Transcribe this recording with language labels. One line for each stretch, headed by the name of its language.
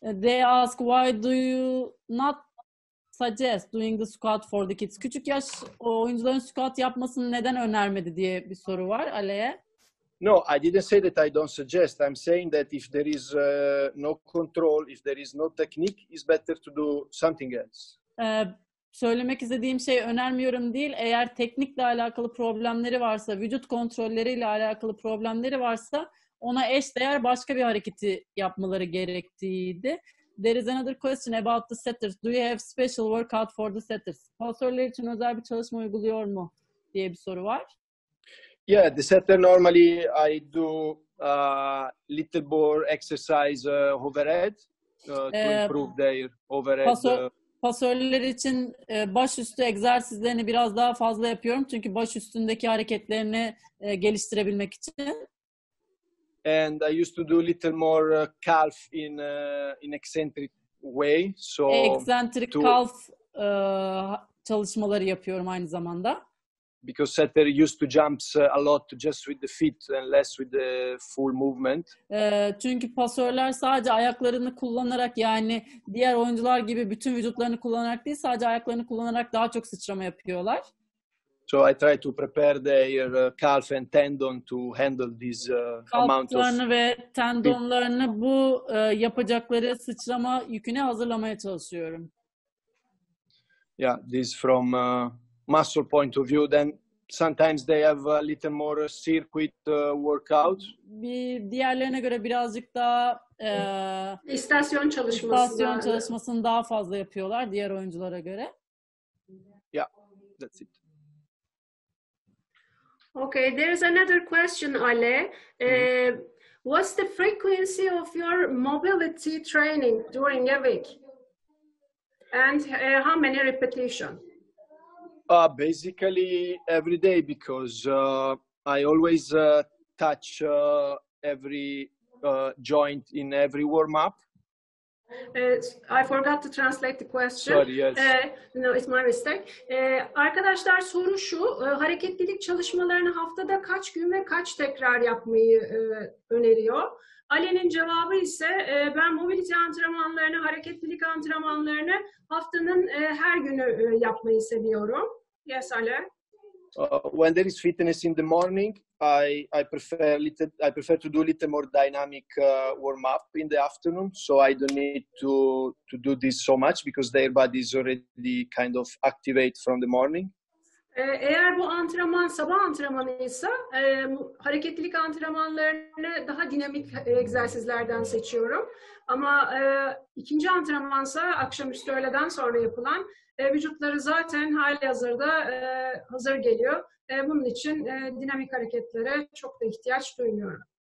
English: They ask, why do you not suggest doing the squat for the kids?
Turkish: Küçük yaş oyuncuların squat yapmasını neden önermedi diye bir soru var Ale'ye.
English: No, I didn't say that I don't suggest. I'm saying that if there is no control, if there is no technique, it's better to do something else.
Turkish: Söylemek istediğim şey önermiyorum değil. Eğer teknikle alakalı problemleri varsa, vücut kontrolleriyle alakalı problemleri varsa ona eş değer başka bir hareketi yapmaları gerektiğiydi.
English: There is another question about the setters. Do you have special workout for the setters?
Turkish: Pasörler için özel bir çalışma uyguluyor mu diye bir soru var.
English: Yeah, the setter normally I do little bar exercise overhead to improve their overhead.
Turkish: Pasörler için baş üstü egzersizlerini biraz daha fazla yapıyorum çünkü baş üstündeki hareketlerini geliştirebilmek için.
English: And I used to do a little more calf in eccentric way. So
Turkish: eccentric calf çalışmaları yapıyorum aynı zamanda.
English: Because setter used to jumps a lot just with the feet and less with the full movement.
Turkish: Çünkü pasörler sadece ayaklarını kullanarak, yani diğer oyuncular gibi bütün vücutlarını kullanarak değil, sadece ayaklarını kullanarak daha çok sıçrama yapıyorlar.
English: So I try to prepare their calf and tendon to handle this amount of...
Turkish: Kalplarını ve tendonlarını bu yapacakları sıçrama yüküne hazırlamaya çalışıyorum.
English: Yeah, this from muscle point of view, then sometimes they have a little more circuit workout.
Turkish: Bir diğerlerine göre birazcık daha... İstasyon çalışması. İstasyon çalışmasını daha fazla yapıyorlar diğer oyunculara göre.
English: Yeah, that's it. Okay, there is another question, Ale. What's the frequency of your mobility training during a week? And how many repetitions? Basically, every day, because I always touch every joint in every warm-up. I forgot to translate the question. Sorry, yes. No, it's my mistake.
Turkish: Arkadaşlar soru şu, hareketlilik çalışmalarını haftada kaç gün ve kaç tekrar yapmayı öneriyor? Ali'nin cevabı ise ben mobility antrenmanlarını, hareketlilik antrenmanlarını haftanın her günü yapmayı seviyorum.
English: Yes, Ali. When there is fitness in the morning, I prefer to do a little more dynamic warm up in the afternoon, so I don't need to do this so much because their body is already kind of activate from the morning.
Turkish: Eğer bu antrenman sabah antrenmanıysa, hareketlilik antrenmanlarını daha dinamik egzersizlerden seçiyorum. Ama ikinci antrenmansa akşamüstü öğleden sonra yapılan. Vücutları zaten halihazırda hazır geliyor. Bunun için dinamik hareketlere çok da ihtiyaç duymuyorum.